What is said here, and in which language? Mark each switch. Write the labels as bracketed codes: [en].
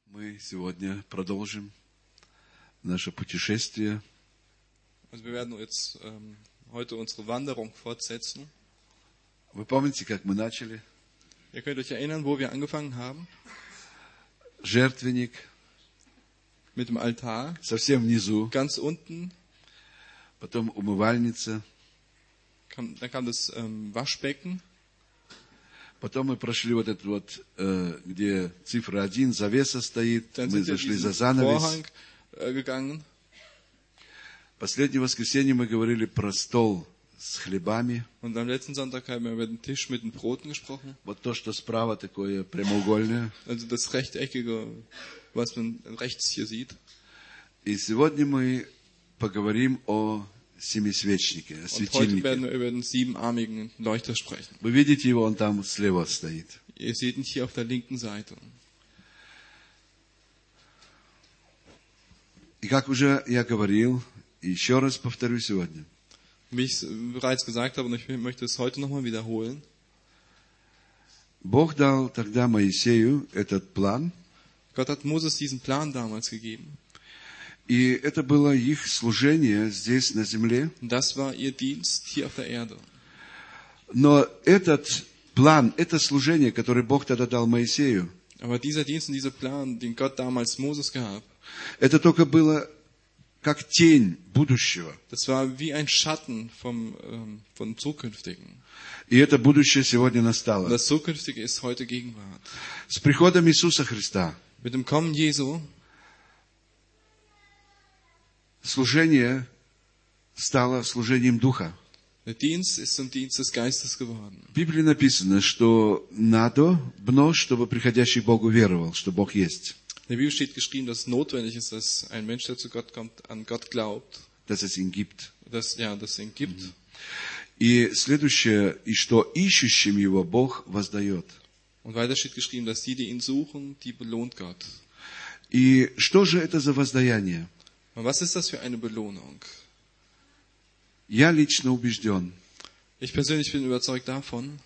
[ru] Мы сегодня продолжим наше путешествие. [de] Und wir werden jetzt heute unsere Wanderung fortsetzen. [ru] Вы помните, как мы начали? [de] Ihr könnt euch erinnern, wo wir angefangen haben. [ru] Жертвенник. [de] Mit dem Altar. [ru] Совсем внизу. [de] Ganz unten. [ru] Потом умывальница. [de] Dann kam das Waschbecken. [ru] Потом мы прошли вот этот вот, где цифра 1, завеса стоит. [de] Dann [ru] мы зашли за занавес. [de] Vorhang, gegangen. [ru] Последнее воскресенье мы говорили про стол с хлебами. [de] Und am letzten Sonntag haben wir über den Tisch mit den Broten gesprochen. [ru] Вот то, что справа такое прямоугольное. [de] Also das rechteckige, was man rechts hier sieht. [ru] И сегодня мы поговорим о семисвечнике, о светильнике. [de] Heute werden wir über den siebenarmigen Leuchter sprechen. [ru] Вы видите его, он там слева стоит. [de] Ihr seht ihn hier auf der linken Seite. [ru] И как уже я говорил, еще раз повторю сегодня. [de] Wie ich bereits gesagt habe, und ich möchte es heute nochmal wiederholen. [ru] Бог дал тогда Моисею этот план. [de] Gott hat Moses diesen Plan damals gegeben. [ru] И это было их служение здесь на земле. [de] Das war ihr Dienst hier auf der Erde. [ru] Но этот план, это служение, которое Бог тогда дал Моисею. [de] Aber dieser Dienst und dieser Plan, den Gott damals Moses gab. [ru] Это только было как тень будущего. [de] Das war wie ein Schatten vom, von Zukünftigen. [ru] И это будущее сегодня настало. [de] Das Zukünftige ist heute Gegenwart. [ru] С приходом Иисуса Христа. [de] Mit dem Kommen Jesu. [ru] Служение стало служением Духа. [de] Der Dienst ist zum Dienst des Geistes geworden. [ru] В Библии написано, что надо бно, чтобы приходящий к Богу веровал, что Бог есть. [de] In der Bibel steht geschrieben, dass es notwendig ist, dass ein Mensch, der zu Gott kommt, an Gott glaubt. Dass es ihn gibt. Dass, ja, dass es ihn gibt. [ru] И следующее, и что ищущим его Бог воздает. [de] Und weiter steht geschrieben, dass die, die ihn suchen, die belohnt Gott. [ru] И что же это за воздаяние? [de] Und was ist das für eine Belohnung? [ru] Я лично убежден. [de] Ich persönlich bin überzeugt davon,